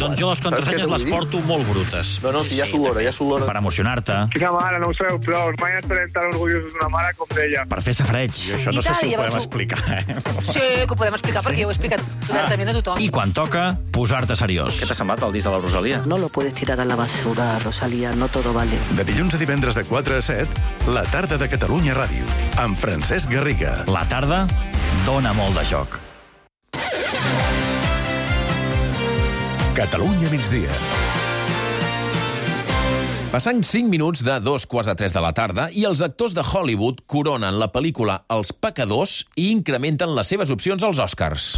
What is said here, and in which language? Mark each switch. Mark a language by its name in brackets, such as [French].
[Catalan] Doncs jo les contrasenyes les porto molt brutes. No, no, si ja s'ho l'hora, ja s'ho l'hora. Per emocionar-te. Quina mare, no ho sabeu, però mai estarem tan orgullosos d'una mare com d'ella. Per fer safareig. I això no sé si ho podem explicar, eh? Sí, que ho podem explicar, sí. Perquè ho he explicat directament a tothom. I quan toca, posar-te seriós. Què t'ha semblat el disc de la Rosalía? [Spanish] No lo puedes tirar a la basura, Rosalía, no todo vale. [Catalan] De dilluns a divendres de 4 a 7, la tarda de Catalunya Ràdio, amb Francesc Garriga. La tarda dona molt de joc. Catalunya migdia. Passant 5 minuts de 2:15 de la tarda i els actors de Hollywood coronen la pel·lícula Els Pecadors i incrementen les seves opcions als Oscars.